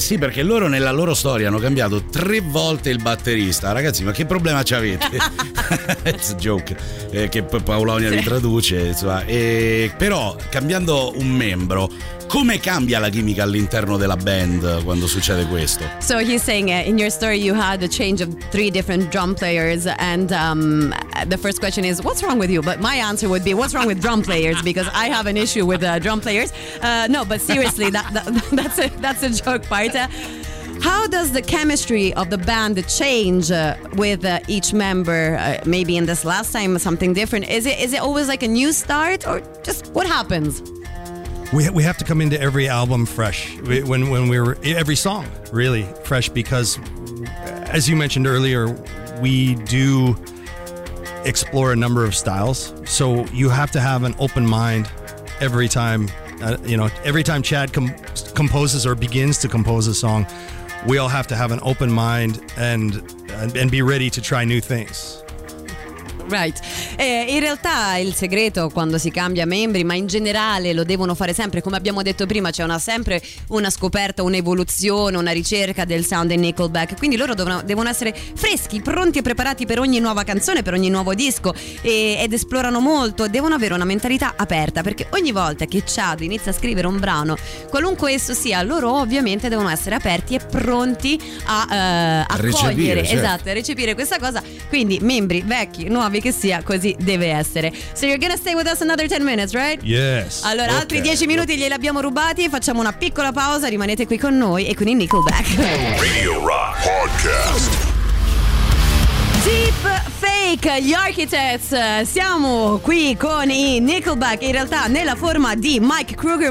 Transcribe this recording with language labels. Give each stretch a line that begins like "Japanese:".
Italian: Sì, perché loro nella loro storia hanno cambiato 3 volte il batterista. Ragazzi, ma che problema ci avete?
English: It's a joke,
Italian: che Paolonia sì. Ritraduce, insomma. Però, cambiando un membro, come cambia la chimica all'interno della band quando succede questo?
English: So he's saying in your story you had a change of 3 different drum players, and the first question is what's wrong with you? But my answer would be what's wrong with drum players, because I have an issue with drum players. No, but seriously, that's a joke part. How does the chemistry of the band change with each member? Maybe in this last time something different. Is it always like a new start, or just what happens? We have to come into every album fresh, when we were, every song really fresh, because as you mentioned earlier, we do explore a number of styles, so you have to have an open mind every time you know, every time Chad composes or begins to compose a song, we all have to have an open mind and be ready to try new things. Right.
Italian: In realtà il segreto quando si cambia membri, ma in generale lo devono fare sempre, come abbiamo detto prima, c'è sempre una scoperta, un'evoluzione, una ricerca del sound in Nickelback. Quindi loro devono essere freschi, pronti e preparati per ogni nuova canzone, per ogni nuovo disco, ed esplorano molto, devono avere una mentalità aperta, perché ogni volta che Chad inizia a scrivere un brano, qualunque esso sia, loro ovviamente devono essere aperti e pronti a accogliere, certo. Esatto, a recepire questa cosa. Quindi membri vecchi, nuovi, che sia, così deve essere.
English: So you're gonna stay with us another 10 minutes, right? Yes.
Italian: Allora, okay. Altri 10 minuti glieli abbiamo rubati, facciamo una piccola pausa, rimanete qui con noi e con i Nickelback. Radio Rock Podcast. Deep Fake, gli Architects. Siamo qui con i Nickelback, in realtà nella forma di Mike Krueger.